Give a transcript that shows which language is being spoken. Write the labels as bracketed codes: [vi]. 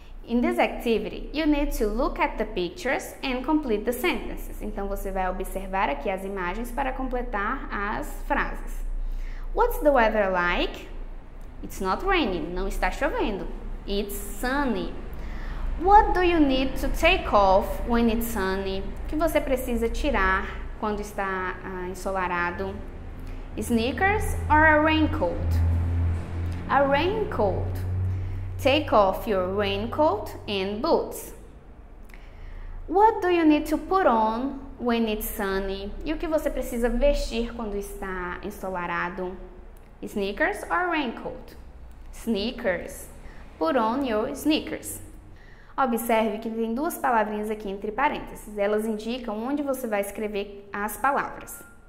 [en] In this activity, you need to look at the pictures and complete the sentences. [pt] Então, você vai observar aqui as imagens para completar as frases. [en] What's the weather like? It's not raining. [pt] Não está chovendo. [en] It's sunny. What do you need to take off when it's sunny? [pt] O que você precisa tirar quando está ensolarado? [en] Sneakers or a raincoat? A raincoat. Take off your raincoat and boots. What do you need to put on when it's sunny? [pt] E o que você precisa vestir quando está ensolarado? [en] Sneakers or raincoat? Sneakers. Put on your sneakers. [pt] Observe que tem duas palavrinhas aqui entre parênteses. Elas indicam onde você vai escrever as palavras.